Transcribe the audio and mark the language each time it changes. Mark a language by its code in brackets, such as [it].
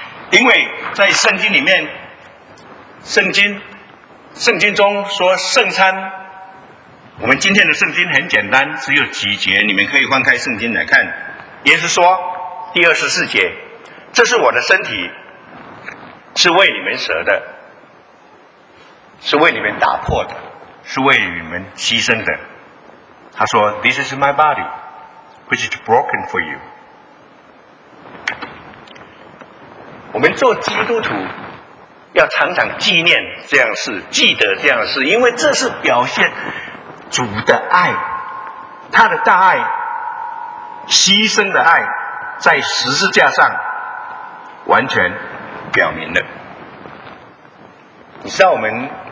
[zh] 因为在圣经里面，圣经中说圣餐，我们今天的圣经很简单，只有几节，你们可以翻开圣经来看。耶稣说，第二十四节，这是我的身体，是为你们舍的，是为你们打破的，是为你们牺牲的。他说 [en] This is my body which is broken for you。 [zh] 我们做基督徒要常常纪念这样事，记得这样事，因为这是表现主的爱，他的大爱，牺牲的爱，在十字架上完全表明了。你知道我们